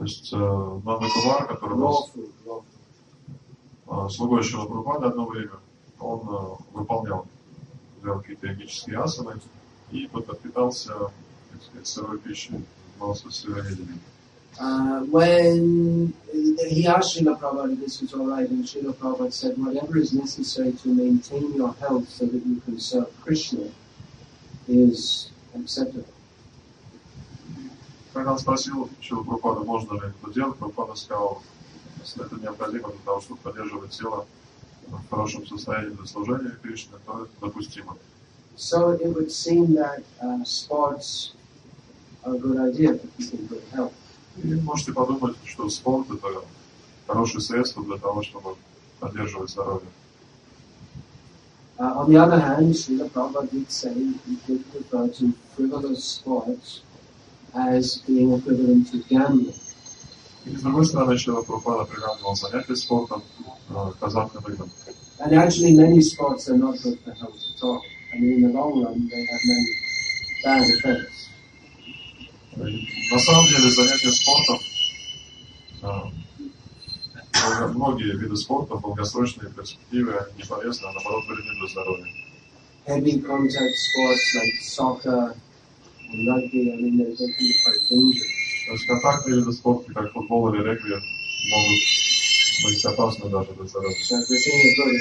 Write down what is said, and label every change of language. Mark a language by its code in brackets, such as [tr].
[ru] Нанда Кумар, который был слугой Шрилы Прабхупады одно время, он выполнял какие-то йогические асаны и питался сырой пищей, занимался сыроедением. [en] When he asked Srila Prabhupada if this was all right, and Srila Prabhupada said, whatever is necessary to maintain your health so that you can serve Krishna is acceptable. [ru] Когда он спросил, чего Прабхупада, можно ли это делать, Прабхупада сказал, если это необходимо для того, чтобы поддерживать тело в хорошем состоянии для служения Кришне, то это допустимо. [en] So it would seem that sports are a good idea for people to help. [ru] И можете подумать, что спорт — это хорошее средство для того, чтобы поддерживать здоровье. [en] On the other hand, Srila Prabhupada did say he did refer to frivolous sports as being equivalent to gambling. [ru] И с другой стороны, Шрила Прабхупада приравнивал занятия спортом к азартным играм. [en] And actually, many sports are not good for health at all. I mean, in the long run, they have many bad effects. [ru] На самом деле, занятия спортом, многие виды спорта, долгосрочные перспективы не полезны, а наоборот, вредны для здоровья. [en] Heavy contact sports like soccer, [ru] контактные виды спорта, как футбол или регби, могут быть опасны даже для